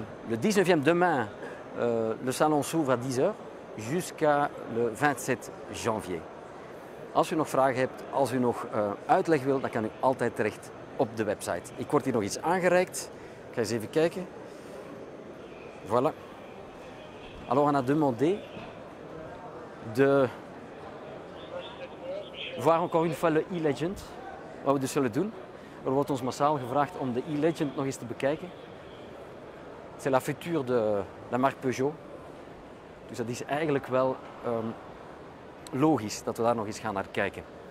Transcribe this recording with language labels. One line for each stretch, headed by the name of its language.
French: Le 19e demain, le salon s'ouvre à 10 heures, jusqu'à le 27 janvier.
Dutch: Als u nog vragen hebt, als u nog uitleg wilt, dan kan u altijd terecht op de website. Ik word hier nog iets aangereikt. Ik ga eens even kijken. Voilà.
French: Alors on a demandé de voir encore une fois le e-legend.
Dutch: Wat we dus zullen doen. Er wordt ons massaal gevraagd om de e-legend nog eens te bekijken.
French: C'est la future de la marque Peugeot.
Dutch: Dus dat is eigenlijk wel logisch dat we daar nog eens gaan naar kijken.